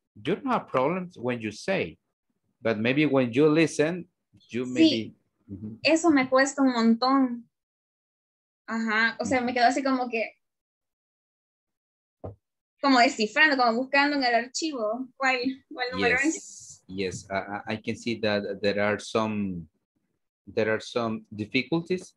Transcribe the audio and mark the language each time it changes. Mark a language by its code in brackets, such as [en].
[en] you don't have problems when you say, but maybe when you listen, you [es] sí. [en] Maybe. [es] Mm-hmm. Eso me cuesta un montón. Ajá, o sea, me quedo así como que, como descifrando, como buscando en el archivo. ¿Cuál número es? [en] Yes, I can see that there are some difficulties.